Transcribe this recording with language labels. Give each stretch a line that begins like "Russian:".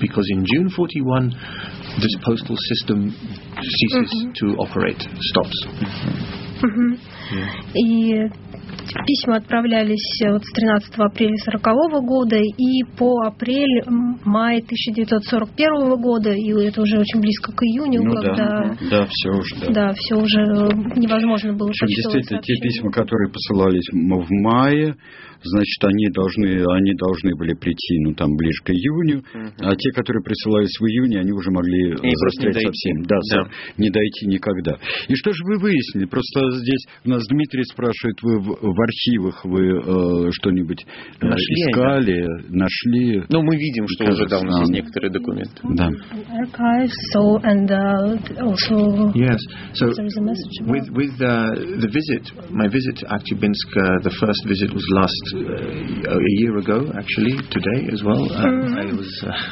English: Because in June 41, this postal system ceases mm-hmm. to operate, stops. Mm-hmm. Yeah.
Russian: И письма отправлялись вот с 13 апреля 40-го года и по апрель-май 1941 года, и это уже очень близко к июню, ну, когда да, все уже, да. Да, все уже невозможно было почтовое сообщение. Действительно, те письма, которые посылались в мае, значит, они должны были прийти, ну, там, ближе к июню, mm-hmm. а те, которые присылались в июне, они уже могли застрять совсем. Да, да. Не дойти никогда. И что же вы выяснили? Просто здесь у нас Дмитрий спрашивает, вы в архивах вы что-нибудь нашли, искали, нашли? Ну, мы видим, что уже там есть некоторые документы. Да.
English: Yes. So, with the visit, my visit to Актюбинск, the first visit was last a year ago, actually, today as well.